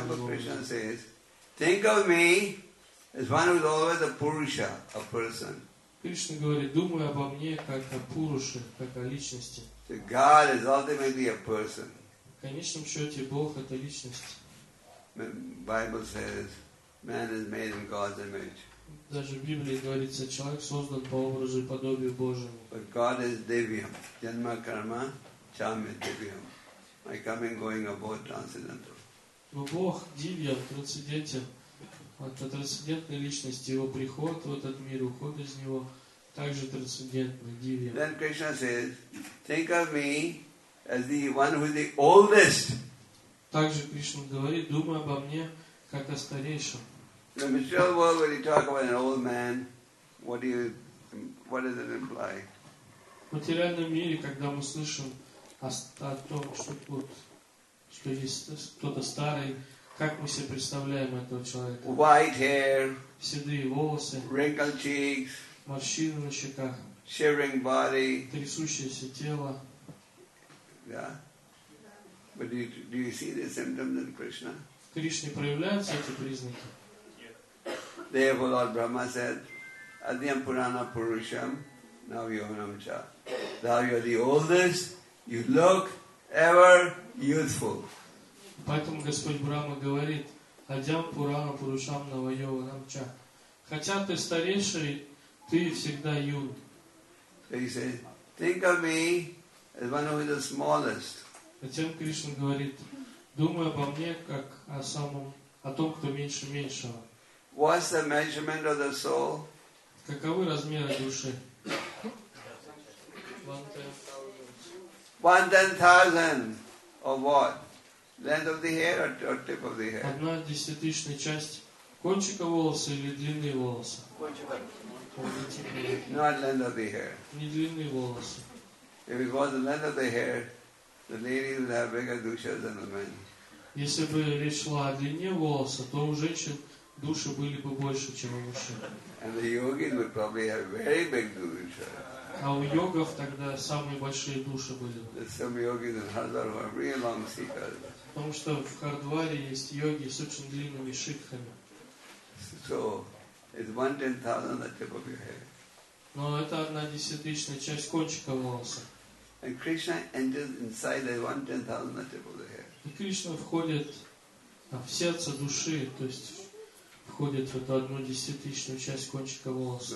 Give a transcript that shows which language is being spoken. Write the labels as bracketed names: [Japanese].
[English] For example, Krishna says, think of me as one who is always a Purusha, a person. [Russian] Кришна говорит, думай обо мне как о Пуруше, как о личности. [English] So God is ultimately a person. [Russian] В конечном счете, Бог это личность. [English] The Bible says, man is made in God's image. [Russian] Даже в Библии говорится, человек создан по образу и подобию Божьему. [English] But God is Divyam. [Sanskrit] Janma Karma Chame Divyam. [English] My coming going are both transcendental. [Russian] Но Бог Дивья, трансцендентен. Это трансцендентная личность. Его приход в этот мир, уход из него также трансцендентный, Дивья. [English] Then Krishna says, think of me as the one who is the oldest. [Russian] Также Кришна говорит, думай обо мне как о старейшем. [English] In the material world, when you talk about an old man, what does it imply? [Russian] В материальном мире, когда мы слышим о том, что тут, что есть кто-то старый, как мы себе представляем этого человека? [English] White hair, [Russian] седые волосы, [English] wrinkled cheeks, [Russian] морщины на щеках, [English] shivering body, [Russian] трясущееся тело. [English] Yeah. But do you see the symptoms in Krishna? [Russian] В Кришне проявляются эти признаки? [English] Therefore, Lord Brahma said, [Sanskrit] Adhyam Purana Purusham, Nav Yohanam Cha. [English] Thou, you are the oldest, you look ever youthful. [Russian] Поэтому Господь Брама говорит, [Sanskrit] Адьям Пурана Пурушам Навайова Намча. [Russian] Хотя ты старейший, ты всегда юн. [English] So he says, think of me as one who is the smallest. [Russian] Затем Кришна говорит, думай обо мне, как о том, кто меньше меньшего. [English] What's the measurement of the soul? [Russian] Каковы размеры души? [English] 1/10,000 of what? Length of the hair or tip of the hair? [Russian] 1/10 часть кончика волоса или длины волоса? Кончика. [English] Not length of the hair. [Russian] Не длинные волосы. [English] If it was the length of the hair, the ladies would have bigger dushas than the men. [Russian] Если бы речь шла о длине волоса, то у женщин души были бы больше, чем у мужчин. [English] And the yogis would probably have very big dushas. [Russian] А у йогов тогда самые большие души были. [English] There's some yogis in Hardwar who are really long seekers. [Russian] Потому что в Хардваре есть йоги с очень длинными шикхами. [English] So, it's 1/10,000 the tip of your head. [Russian] Но это 1/10 часть кончика волоса. [English] And Krishna enters inside the 1/10,000 the tip of the head. [Russian] И Кришна входит в сердце души, то есть входит в эту 1/10 часть кончика волоса.